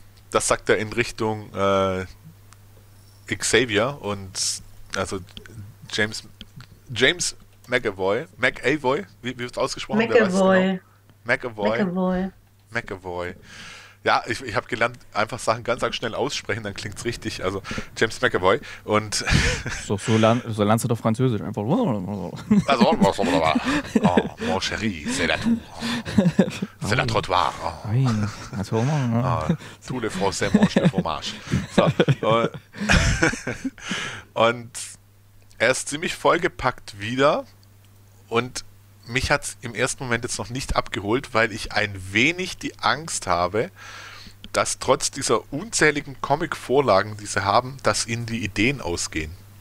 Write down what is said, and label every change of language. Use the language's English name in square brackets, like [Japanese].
[German] Das sagt er in Richtung Xavier und also James McAvoy, wie wird es ausgesprochen? McAvoy. Ja, ich habe gelernt, einfach Sachen ganz schnell aussprechen, dann klingt es richtig. Also James McAvoy und so lernst du doch Französisch einfach. [French] Also, oh, mon chéri, c'est la trottoir. Oh. Oui, oh, tout le français mange le fromage. [German] So, und er ist ziemlich vollgepackt wieder und mich hat es im ersten Moment jetzt noch nicht abgeholt, weil ich ein wenig die Angst habe, dass trotz dieser unzähligen Comic-Vorlagen, die sie haben, dass ihnen die Ideen ausgehen.